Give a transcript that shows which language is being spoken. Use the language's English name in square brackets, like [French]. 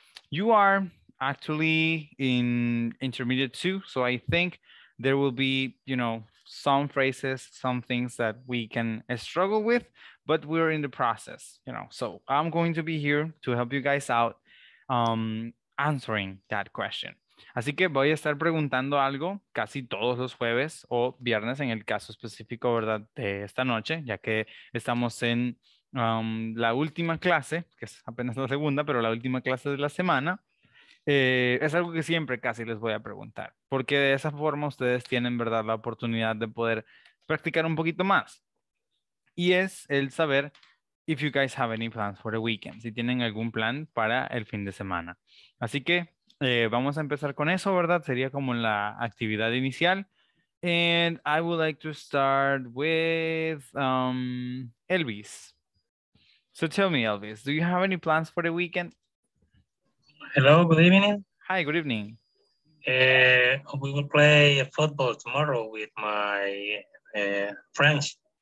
[English] You are actually in intermediate two, so I think there will be, you know, some phrases, some things that we can struggle with, but we're in the process, you know. So I'm going to be here to help you guys out answering that question. [Spanish] Así que voy a estar preguntando algo casi todos los jueves o viernes, en el caso específico, ¿verdad?, de esta noche, ya que estamos en la última clase, que es apenas la segunda, pero la última clase de la semana. Es algo que siempre casi les voy a preguntar, porque de esa forma ustedes tienen, ¿verdad?, la oportunidad de poder practicar un poquito más. Y es el saber [English] if you guys have any plans for the weekend, [Spanish] si tienen algún plan para el fin de semana. Así que vamos a empezar con eso, ¿verdad? Sería como la actividad inicial. [English] And I would like to start with Elvis. So tell me, Elvis, do you have any plans for the weekend? Hello, good evening. Hi, good evening. We will play football tomorrow with my friends.